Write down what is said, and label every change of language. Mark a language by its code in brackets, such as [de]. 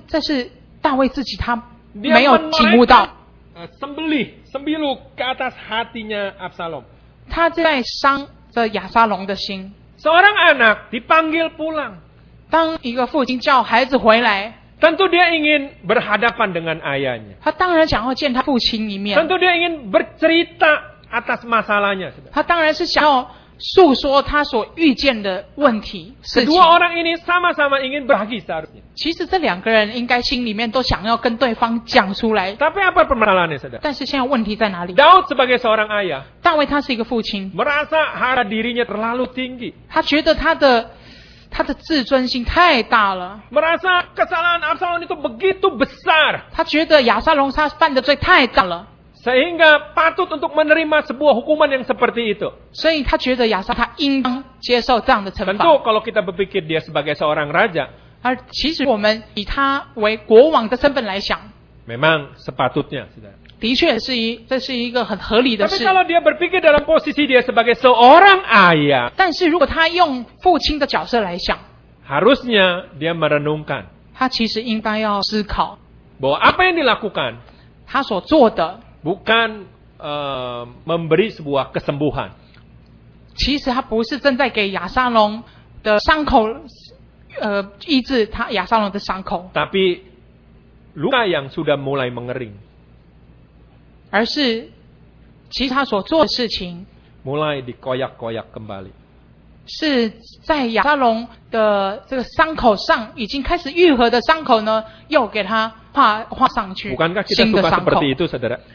[zh] 这是大卫自己他没有醒悟到。 [id] Sembilu ke atas hatinya Absalom. [zh] 他正在伤着亚沙龙的心。 [id] Seorang anak dipanggil pulang. [zh] 当一个父亲叫孩子回来。 [id] Tentu dia ingin berhadapan dengan ayahnya. [zh] 他当然想要见他父亲一面。 [id] Tentu dia ingin bercerita atas masalahnya. [zh] 他当然是想要诉说他所遇见的问题。 [id] Kedua orang ini sama-sama ingin berbagi seharusnya. [zh] 其实这两个人应该心里面都想要跟对方讲出来。 [id] Tapi apa permasalahannya saudara? [zh] 但是现在问题在哪里？ [id] Daud sebagai seorang ayah. [zh] 大卫他是一个父亲。 [id] Merasa harga dirinya terlalu tinggi. [zh] 他觉得他的自尊心太大了。 [id] Merasa kesalahan Absalom itu begitu besar. [zh] 他觉得亚撒龙他犯的罪太大了。 [id] Sehingga patut untuk menerima sebuah hukuman yang seperti itu. [zh] 所以他觉得亚撒他应当接受这样的惩罚。 [id] Tentu kalau kita berpikir dia sebagai seorang raja. [zh] 而其实我们以他为国王的身份来想。 [id] Memang sepatutnya. [zh] 的确是一，这是一个很合理的事。 [id] Tapi kalau dia berpikir dalam posisi dia sebagai seorang ayah. [zh] 但是如果他用父亲的角色来想。 [id] Harusnya dia merenungkan. [zh] 他其实应该要思考。 [id] Bahwa apa yang dilakukan. [zh] 他所做的。 [id] Bukan memberi sebuah kesembuhan. [zh] 其实他不是正在给亚撒龙的伤口医治他亚撒龙的伤口。 [id] Tapi luka yang sudah mulai mengering. [zh] 而是其实他所做的事情 [id] mulai dikoyak-koyak kembali. [zh] 是在亚撒龙的这个伤口上已经开始愈合的伤口呢，又给他画上去新的伤口。 [id] Seperti itu, saudara.